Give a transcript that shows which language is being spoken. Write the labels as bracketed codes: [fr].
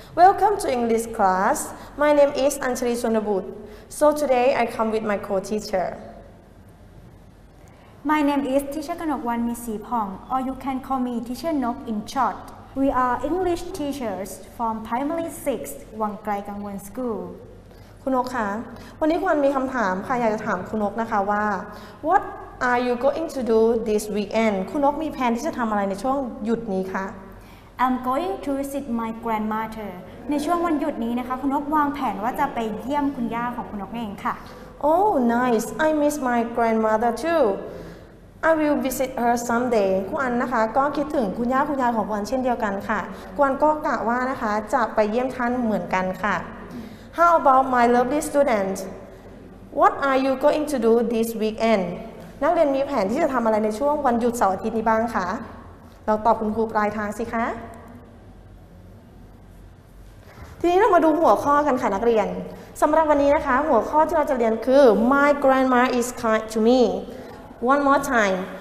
[en] Welcome to English class. My name is Anchari Chonabut. So today I come with my co-teacher. My name is Teacher Kanokwan Misi Phong, or you can call me Teacher Nok in short. We are English teachers from Primary 6 Wang Krai Kangwon School. [th] คุณนกคะวันนี้คุณมีคำถามค่ะอยากจะถามคุณนกนะคะว่า [en] What are you going to do this weekend? [th] คุณนกมีแผนที่จะทำอะไรในช่วงหยุดนี้คะ [en] I'm going to visit my grandmother. [th] ในช่วงวันหยุดนี้นะคะคุณนกวางแผนว่าจะไปเยี่ยมคุณย่าของคุณนกเองค่ะ [en] Oh nice. I miss my grandmother too. I will visit her someday. [th] คุณอันนะคะก็คิดถึงคุณย่าคุณยายของคุณอันเช่นเดียวกันค่ะคุณอันก็กะว่านะคะจะไปเยี่ยมท่านเหมือนกันค่ะ [en] How about my lovely student? What are you going to do this weekend? [th] นักเรียนมีแผนที่จะทำอะไรในช่วงวันหยุดเสาร์อาทิตย์นี้บ้างคะลองตอบคุณครูปลายทางสิคะทีนี้เรามาดูหัวข้อกันค่ะนักเรียนสำหรับวันนี้นะคะหัวข้อที่เราจะเรียนคือ [en] My grandma is kind to me. One more time.